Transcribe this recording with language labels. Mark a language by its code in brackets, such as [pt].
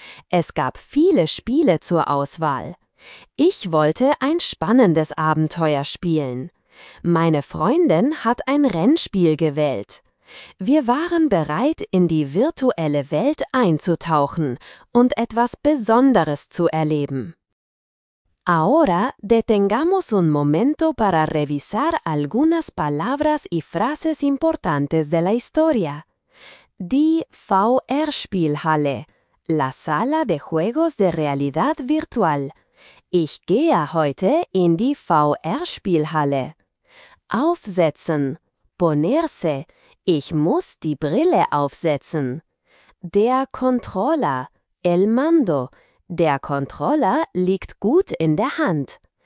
[de] Es gab viele Spiele zur Auswahl. Ich wollte ein spannendes Abenteuer spielen. Meine Freundin hat ein Rennspiel gewählt. Wir waren bereit, in die virtuelle Welt einzutauchen und etwas Besonderes zu erleben. [es] Ahora detengamos un momento para revisar algunas palabras y frases importantes de la historia. [de] Die VR-Spielhalle, [es] la sala de juegos de realidad virtual. [de] Ich gehe heute in die VR-Spielhalle. Aufsetzen, ponerse. Ich muss die Brille aufsetzen. Der Controller, [es] el mando. [de] Der Controller liegt gut in der Hand.